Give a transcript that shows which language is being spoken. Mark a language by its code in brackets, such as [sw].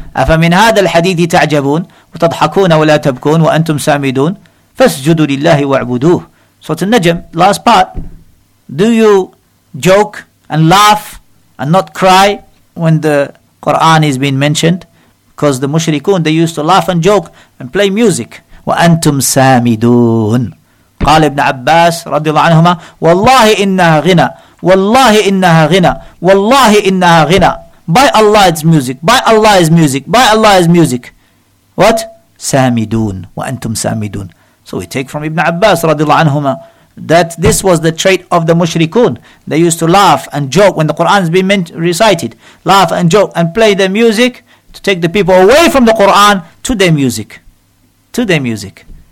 [ar] أَفَمِنْ هَذَا الْحَدِيثِ تَعْجَبُونَ وَتَضْحَكُونَ وَلَا تَبْكُونَ وَأَنْتُمْ سَامِدُونَ فَاسْجُدُوا لِلَّهِ وَاعْبُدُوهُ. [en] So it's a najm, last part. Do you joke and laugh and not cry when the Quran is being mentioned? Because the mushrikun, they used to laugh and joke and play music. [ar] وأنتم سامدون. قال ابن عباس رضي الله عنهما والله إنها غنى والله إنها غنى والله إنها غنى. [en] By Allah is music, by Allah is music, by Allah is music. What? [ar] سامدون وأنتم سامدون. [en] So we take from Ibn Abbas [ar] رضي الله عنهما [en] that this was the trait of the mushrikun. They used to laugh and joke when the Quran is being recited. Laugh and joke and play their music to take the people away from the Quran to their music. To their music.